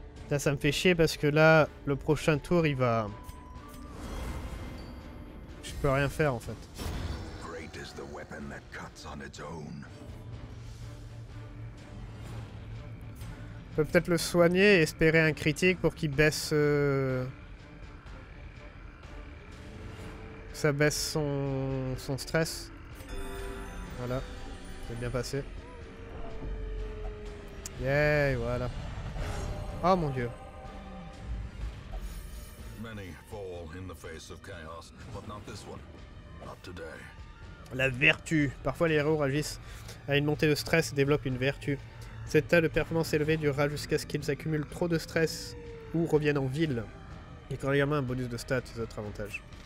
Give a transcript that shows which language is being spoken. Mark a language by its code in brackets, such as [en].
[fr] Là, ça me fait chier parce que là, le prochain tour, il va... Je peux rien faire, en fait. [en] Great is the weapon that cuts on its own. [fr] Je peux peut-être le soigner et espérer un critique pour qu'il baisse... ça baisse son stress. Voilà. C'est bien passé. Yeah, voilà. Oh mon dieu. [en] Many fall in the face of chaos, but not this one. Not today. [fr] La vertu. Parfois les héros agissent à une montée de stress et développent une vertu. Cet état de performance élevée durera jusqu'à ce qu'ils accumulent trop de stress ou reviennent en ville. Et quand également un bonus de stats, c'est notre avantage.